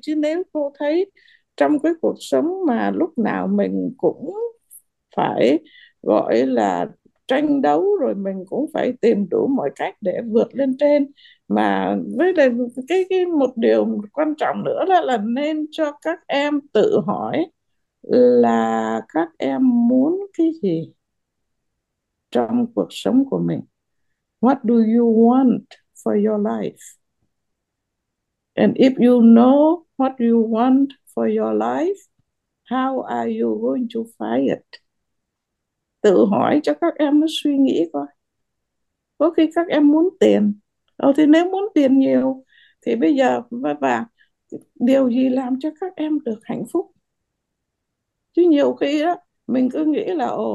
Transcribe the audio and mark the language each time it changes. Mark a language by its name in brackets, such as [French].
[Vietnamese] Chứ nếu cô thấy trong cái cuộc sống mà lúc nào mình cũng phải gọi là tranh đấu rồi mình cũng phải tìm đủ mọi cách để vượt lên trên, mà với đây cái một điều quan trọng nữa đó là nên cho các em tự hỏi là các em muốn cái gì trong cuộc sống của mình. [English] What do you want for your life? And if you know what you want for your life, how are you going to find it? [Vietnamese] Tự hỏi cho các em nó suy nghĩ coi. Có khi các em muốn tiền. Thì nếu muốn tiền nhiều thì bây giờ và điều gì làm cho các em được hạnh phúc? Chứ nhiều khi đó mình cứ nghĩ là